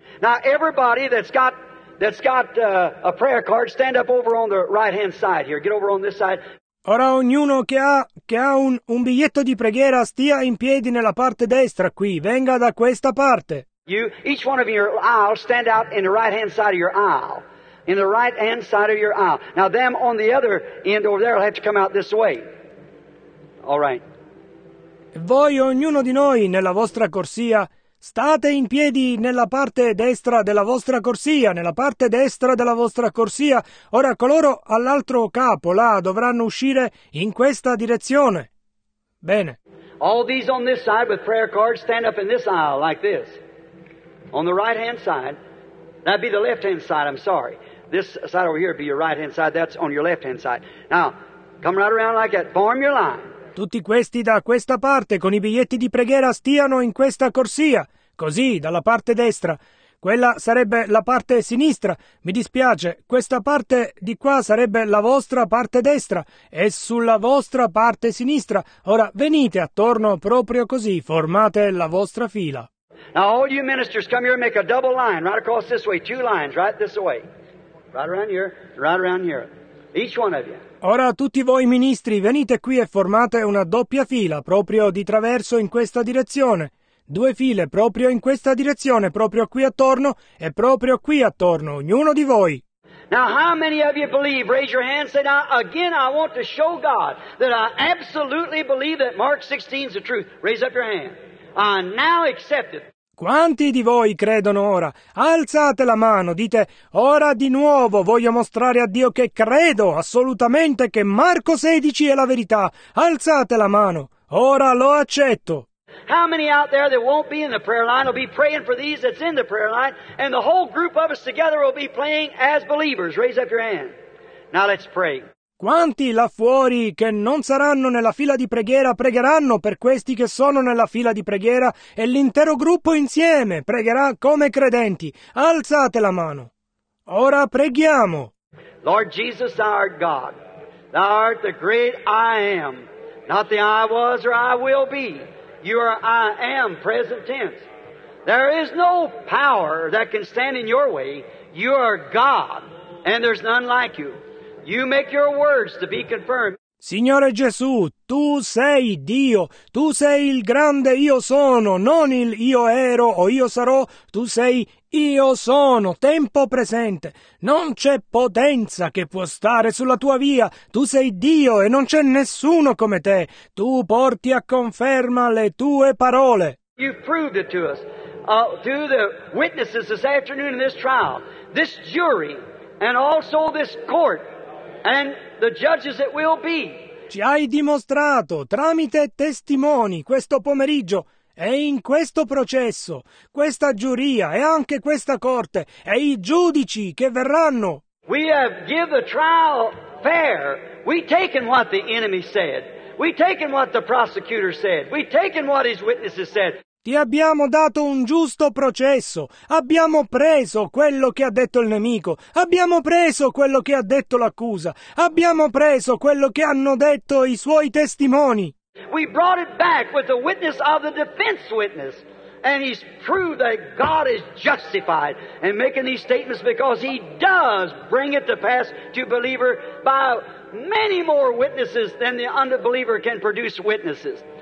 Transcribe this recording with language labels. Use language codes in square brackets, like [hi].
[en] Now everybody that's got that's got a prayer card, stand up over on the right-hand side here. Get over on this side. [it] Ora ognuno che ha un biglietto di preghiera stia in piedi nella parte destra qui. Venga da questa parte. [en] You, each one of your aisle, stand out in the right-hand side of your aisle. In the right-hand side of your aisle. Now, them on the other end over there will have to come out this way. All right. [it] Voi, ognuno di noi, nella vostra corsia, state in piedi nella parte destra della vostra corsia, nella parte destra della vostra corsia. Ora, coloro all'altro capo, là, dovranno uscire in questa direzione. Bene. [en] All these on this side with prayer cards, stand up in this aisle, like this. On the right-hand side, that'd be the left-hand side, I'm sorry. This side over here would be your right-hand side, that's on your left-hand side. Now, come right around like that, form your line. [it] Tutti questi da questa parte con i biglietti di preghiera stiano in questa corsia, così, dalla parte destra. Quella sarebbe la parte sinistra. Mi dispiace, questa parte di qua sarebbe la vostra parte destra e sulla vostra parte sinistra. Ora venite attorno proprio così, formate la vostra fila. [en] Now all you ministers come here and make a double line right across this way, two lines right this way. Right around here, each one of you. [it] Ora tutti voi ministri venite qui e formate una doppia fila proprio di traverso in questa direzione. Due file proprio in questa direzione, proprio qui attorno e proprio qui attorno, ognuno di voi. [en] Now how many of you believe? Raise your hand, say now again I want to show God that I absolutely believe that Mark 16 is the truth. Raise up your hand. Now accept it. [it] Quanti di voi credono ora? Alzate la mano, dite, ora di nuovo voglio mostrare a Dio che credo assolutamente che Marco 16 è la verità. Alzate la mano, ora lo accetto. [en] How many out there that won't be in the prayer line will be praying for these that's in the prayer line and the whole group of us together will be praying as believers. Raise up your hand. Now let's pray. [it] Quanti là fuori che non saranno nella fila di preghiera pregheranno per questi che sono nella fila di preghiera e l'intero gruppo insieme pregherà come credenti. Alzate la mano. Ora preghiamo. [en] Lord Jesus, our God, thou art the great I am, not the I was or I will be. You are I am, present tense. There is no power that can stand in your way. You are God, and there's none like you. You make your words to be confirmed. [it] Signore Gesù, tu sei Dio, tu sei il grande io sono, non il io ero o io sarò, tu sei io sono, tempo presente. Non c'è potenza che può stare sulla tua via, tu sei Dio e non c'è nessuno come te. Tu porti a conferma le tue parole. [en] You proved it to us, to the witnesses this afternoon in this trial, this jury and also this court. And the judges it will be. [it] Ci hai dimostrato tramite testimoni questo pomeriggio e in questo processo, questa giuria e anche questa corte e i giudici che verranno. [en] We have given the trial fair. We taken what the enemy said. We taken what the prosecutor said. We taken what his witnesses said. [it] Ti abbiamo dato un giusto processo, abbiamo preso quello che ha detto il nemico, abbiamo preso quello che ha detto l'accusa, abbiamo preso quello che hanno detto i suoi testimoni. [en] We brought it back with the witness of the defense witness, and he's proved that God is justified in making these statements because he does bring it to pass to believer by many more witnesses than the unbeliever can produce witnesses.